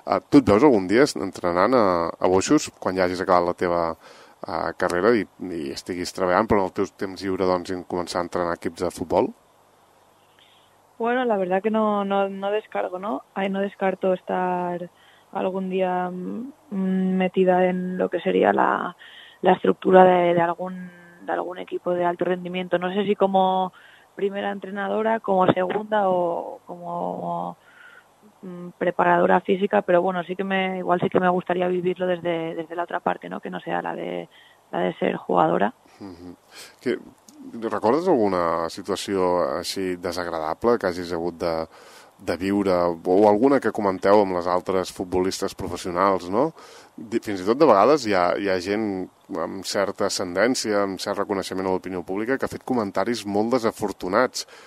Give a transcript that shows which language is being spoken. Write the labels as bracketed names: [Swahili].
[Catalan] Tu et veus algun dia entrenant a Boixos, quan ja hagis acabat la teva carrera i estiguis treballant, però en el teu temps lliure, doncs, començar a entrenar equips de futbol? [Spanish] Bueno, la verdad que no descargo, ¿no? Ay, no descarto estar algún día metida en lo que sería la estructura de algún equipo de alto rendimiento. No sé si como primera entrenadora, como segunda o como preparadora física, pero bueno, sí que me gustaría vivirlo desde la otra parte, ¿no? Que no sea la de ser jugadora. [Catalan] Recordes alguna situació així desagradable que hagis hagut de viure, o alguna que comenteu amb les altres futbolistes professionals, no? Fins i tot de vegades hi ha gent amb certa ascendència, amb cert reconeixement a l'opinió pública, que ha fet comentaris molt desafortunats.